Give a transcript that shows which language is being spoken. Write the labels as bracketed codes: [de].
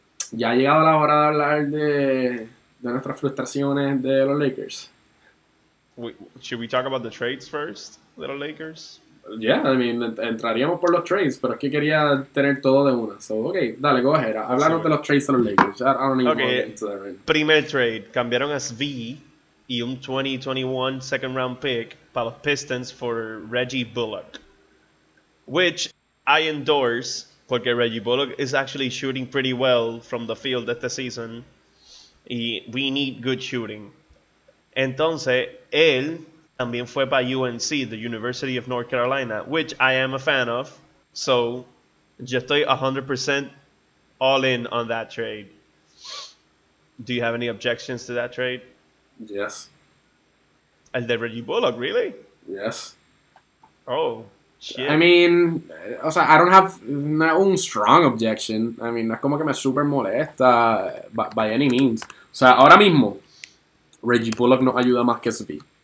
[es] ya ha llegado la hora de hablar de nuestras frustraciones de los Lakers. [en] Should we talk about the trades first? Little Lakers. Yeah, I mean, [es] entraríamos por los trades, pero es que quería tener todo de una. [en] So, okay, [es] dale, [en] go ahead. [es] Hablamos de los trades de los Lakers. [en] I don't even want to get into that right. [es] Primer trade. Cambiaron a Svi y un 2021 second round pick para los Pistons for Reggie Bullock. [en] Which I endorse, porque Reggie Bullock is actually shooting pretty well from the field at the season. Y we need good shooting. [es] Entonces, él también fue para [en] UNC, the University of North Carolina, which I am a fan of. So, [es] yo estoy [en] 100% all in on that trade. Do you have any objections to that trade? Yes. [es] El de Reggie Bullock, really? [en] Yes. Oh, shit. I mean, [es] o sea, [en] I don't have un strong objection. I mean, [es] no es como que me super molesta [en] by any means. [es] O sea, ahora mismo, Reggie Bullock no ayuda más que Svi.